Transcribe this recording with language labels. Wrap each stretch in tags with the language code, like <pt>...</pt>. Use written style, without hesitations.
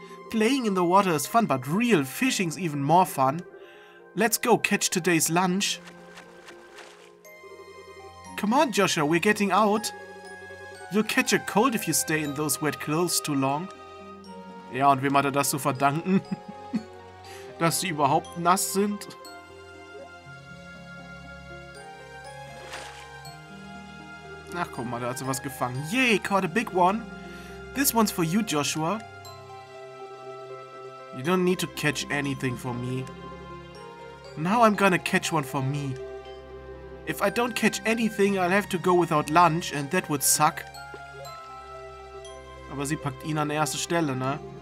<en>Playing in the water is fun, but real fishing's even more fun. Let's go catch today's lunch. Come on, Joshua, we're getting out. You'll catch a cold if you stay in those wet clothes too long.</en> <de>Ja, und wem hat er das zu verdanken? Dass sie überhaupt nass sind? Ach, guck mal, da hat sie was gefangen.</de> <en>Yay, caught a big one. This one's for you, Joshua. You don't need to catch anything for me. Now I'm gonna catch one for me. If I don't catch anything, I'll have to go without lunch, and that would suck.</en> <de>Aber sie packt ihn an erste Stelle, ne?</de>